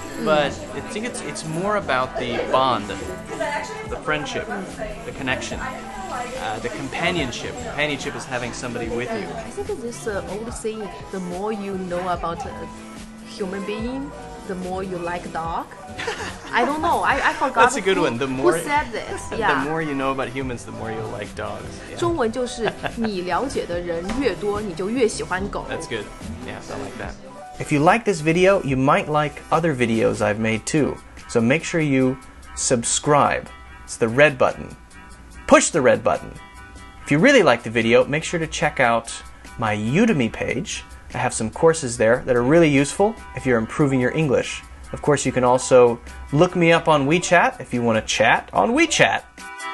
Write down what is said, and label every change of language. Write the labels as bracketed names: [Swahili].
[English] But I think it's more about the bond, the friendship, the connection, the companionship. Companionship is having somebody with you. I think this old saying, the more you know about a human being, the more you like a dog. I don't know, I forgot. That's a good one. The more, who said this? Yeah. The more you know about humans, the more you'll like dogs. [Chinese] 中文就是你了解的人越多，你就越喜欢狗。 [English] That's good. Yeah, I like that. If you like this video, you might like other videos I've made too. So make sure you subscribe. It's the red button. Push the red button. If you really like the video, make sure to check out my Udemy page. I have some courses there that are really useful if you're improving your English. Of course, you can also look me up on WeChat if you want to chat on WeChat.